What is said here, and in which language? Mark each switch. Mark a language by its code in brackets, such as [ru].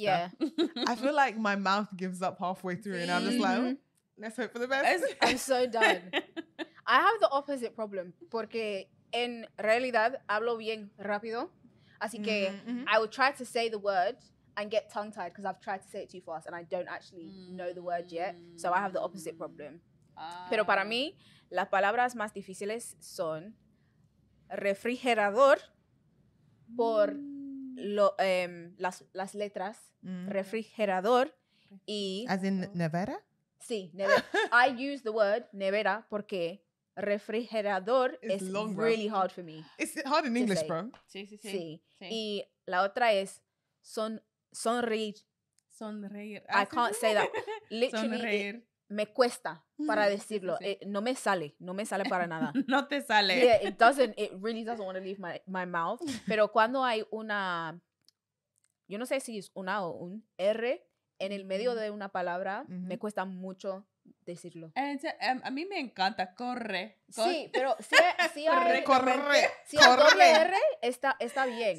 [en] Yeah. I feel like my mouth gives up halfway through and I'm just like, let's hope for the best. I'm so done. I have the opposite problem [es] porque en realidad hablo bien rápido. Así que [en] I will try to say the word and get tongue-tied because I've tried to say it too fast and I don't actually know the word yet. So I have the opposite problem. [es] Pero para mí, las palabras más difíciles son refrigerador por las letras. Refrigerador y... [en] As in nevera? [es] Sí, [en] nevera. I use the word nevera [es] porque [en] refrigerador is long, really bro. Hard for me. It's hard in English, bro. [es] Sí. Y la otra es sonreír. [en] I can't say that. Literally, [es] me cuesta para decirlo. No me sale para nada. No te sale. [en] Yeah, it really doesn't want to leave my mouth. [es] Pero cuando hay una, yo no sé si es una o un R en el medio de una palabra, me cuesta mucho decirlo. A mí me encanta, corre. Sí, pero si hay doble R, está bien.